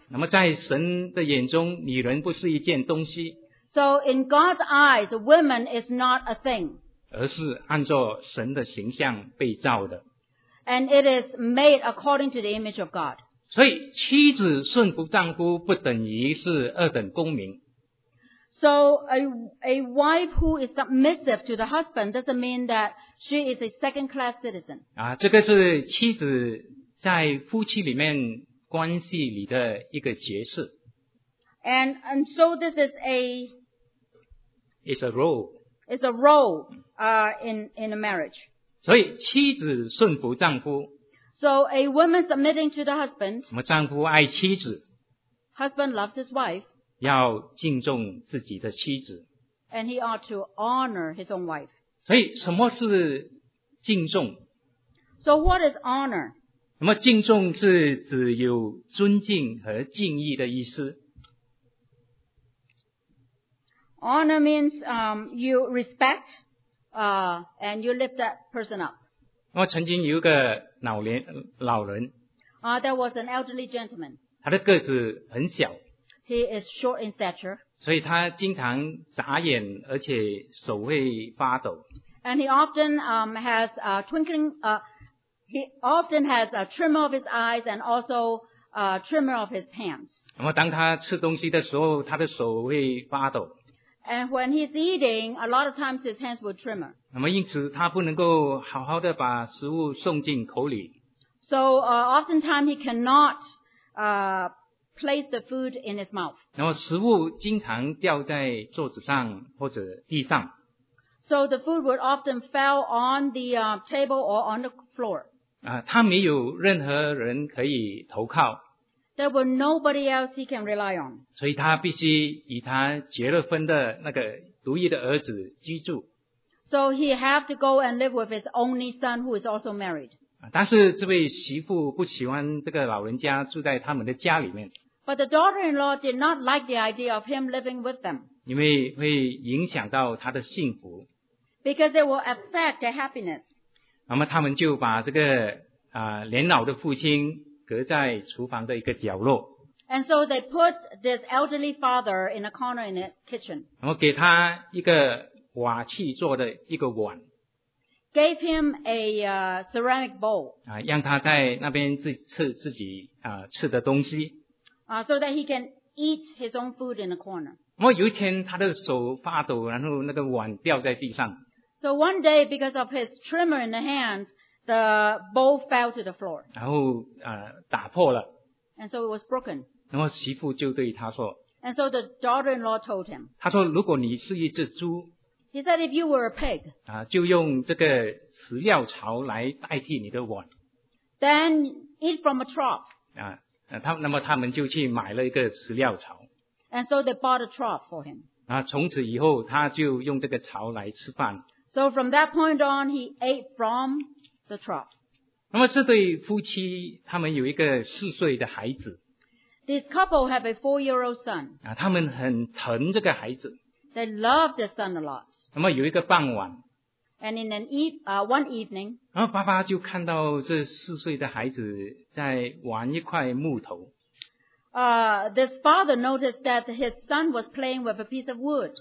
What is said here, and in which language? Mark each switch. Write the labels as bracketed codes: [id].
[zh] 那么在神的眼中女人不是一件东西 [en] So in God's eyes, woman is not a thing. [zh] 而是按照神的形象被造的 [en] And it is made according to the image of God. [zh] 所以妻子顺服丈夫不等于是二等公民。 [en] So a wife who is submissive to the husband doesn't mean that she is a second class citizen. [zh] 这个是妻子在夫妻里面关系里的一个角色。 [en] And so this is a... It's a role. It's a role, in a marriage. [zh] 所以妻子顺服丈夫 [en] So a woman submitting to the husband, [zh] 什么丈夫爱妻子, [en] husband loves his wife, [zh] 要敬重自己的妻子, [en] and he ought to honor his own wife. [zh] 所以什么是敬重? [en] So what is honor? [zh] 什么敬重是指有尊敬和敬意的意思? [en] Honor means, you respect, and you lift that person up. [zh] 我曾经有一个老人 [en] there was an elderly gentleman. [zh] 他的个子很小 [en] He is short in stature. [zh] 所以他经常眨眼而且手会发抖 [en] And he often has a twinkling, he often has a tremor of his eyes and also a tremor of his hands. [zh] 然后当他吃东西的时候他的手会发抖 [en] And when he's eating, a lot of times his hands will tremor. [zh] 那么因此他不能够好好的把食物送进口里。 [en] So, oftentimes he cannot, place the food in his mouth. [zh] 然后食物经常掉在桌子上或者地上。 [en] So the food would often fall on the, table or on the floor. [zh] 他没有任何人可以投靠。 [en] There was nobody else he can rely on. [zh] 所以他必须以他结了婚的那个独一的儿子居住。 [en] So he have to go and live with his only son who is also married. [zh] 但是这位媳妇不喜欢这个老人家住在他们的家里面。 [en] But the daughter-in-law did not like the idea of him living with them. [zh] 因为会影响到他的幸福。 [en] Because it will affect their happiness. [zh] 那么他们就把这个年老的父亲隔在厨房的一个角落。 [en] And so they put this elderly father in a corner in the kitchen. [zh] 然后给他一个瓦器做的一个碗 [en] gave him a ceramic bowl [zh] 让他在那边自己吃的东西 [en] so that he can eat his own food in the corner [zh] 然后有一天他的手发抖然后那个碗掉在地上 [en] so one day because of his tremor in the hands the bowl fell to the floor [zh] 然后打破了 [en] and so it was broken [zh] 然后媳妇就对他说 [en] and so the daughter-in-law told him [zh] 他说如果你是一只猪 [en] He said, if you were a pig, [zh] 就用这个饲料槽来代替你的碗。 [en] Then eat from a trough. [zh] 那么他们就去买了一个饲料槽。 [en] And so they bought a trough for him. [zh] 从此以后他就用这个槽来吃饭。 [en] So from that point on, he ate from the trough. [zh] 那么这对夫妻他们有一个四岁的孩子。 [en] This couple have a four-year-old son. [zh] 他们很疼这个孩子。 [en] They loved their son a lot. [zh] 那么有一个傍晚 [en] And in one evening, [zh] 然后爸爸就看到这四岁的孩子在玩一块木头 [en] This father noticed that his son was playing with a piece of wood.